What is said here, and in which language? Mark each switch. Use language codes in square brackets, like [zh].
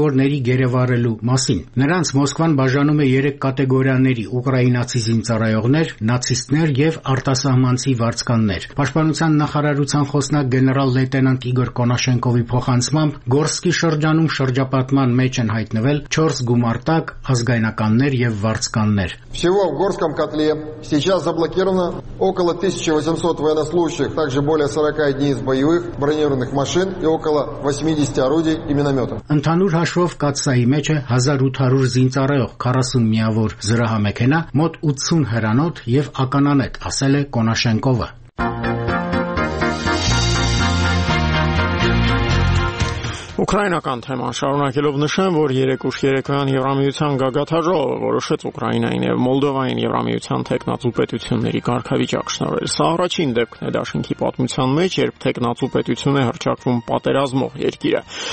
[hy] զինվորների գերեվարելու մասին։ Նրանց Մոսկվան բաժանում է 3 կատեգորիաների՝ ուկրաինացի զինծառայողներ, նացիստներ և արտասահմանցի վարձկաններ։ Պաշտպանության նախարարության խոսնակ գեներալ լեյտենանտ Իգոր Կոնաշենկովի փոխանցմամբ Գորսկի շրջանում շրջապատման մեջ են հայտնվել 4 գումարտակ, ազգայնականներ և վարձկաններ։ [ru] Всего в Горском котле сейчас заблокировано около 1800 военнослужащих, также более 40 единиц боевых бронированных машин и около 80 орудий и миномётов. [hy] Ընդհանուր հաշվով կացայի մեջ 1800 զինծառայող, 40 միավոր զրահամեքենա, մոտ 80 հրանոթ եւ ականանետ, ասել է Կոնաշենկովը։ Ուկրաինական թեման շարունակելով նշեմ, որ 3-3-ան Եվրամիության գագաթաժողովը որոշեց Ուկրաինային եւ Մոլդովային Եվրամիության թեկնածու պետությունների կարգավիճակ շնորհել։ Սա առաջին դեպքն է Դաշնքի պատմության մեջ, երբ թեկնածու պետություն է հրճակվում պատերազմող երկիրը։